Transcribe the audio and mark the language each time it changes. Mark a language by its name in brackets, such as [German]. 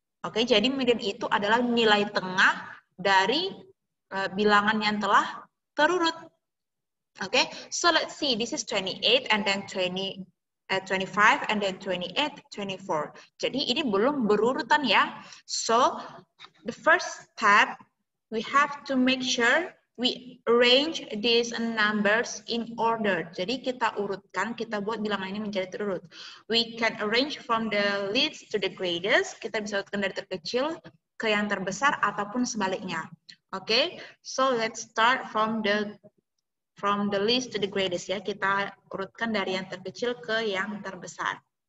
[Indonesian] Okay, jadi median itu adalah nilai tengah dari bilangan yang telah terurut. [English] Okay, so let's see, this is 28 and then 25 and then 28, 24. [Indonesian] Jadi ini belum berurutan ya. [English] So the first step, we have to make sure we arrange these numbers in order. [Indonesian] Jadi kita urutkan, kita buat bilangan ini menjadi terurut. [English] We can arrange from the least to the greatest. [Indonesian] Kita bisa urutkan dari terkecil ke yang terbesar ataupun sebaliknya. [English] Okay, so let's start from the least to the greatest ya. [Indonesian] Kita urutkan dari yang terkecil ke yang terbesar.